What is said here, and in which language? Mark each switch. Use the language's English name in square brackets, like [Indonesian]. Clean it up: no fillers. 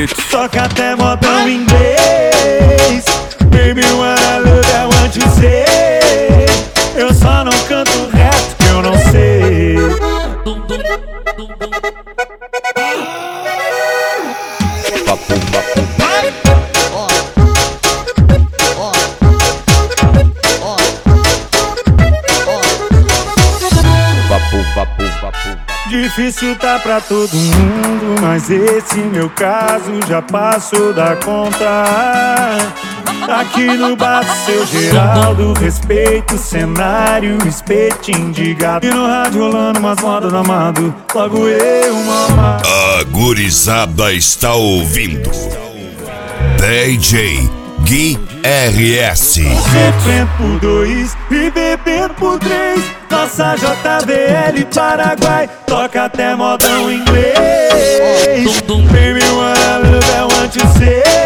[Portuguese] Toca até modão inglês. [English] Baby, what I love, I want to say. [Portuguese] Eu só não canto reto que eu não sei. Papo, papo. Difícil tá pra todo mundo, mas esse meu caso já passou da conta. Aqui no bar, seu Geraldo, respeito o cenário, espetinho de gato. E no rádio rolando umas modas do amado, logo eu mamá. A gurizada está ouvindo. DJ Gui RS. Bebendo por dois e bebendo por três. Nossa JBL Paraguai toca até modão inglês. [English] Dum dum baby, what I love, I want to say.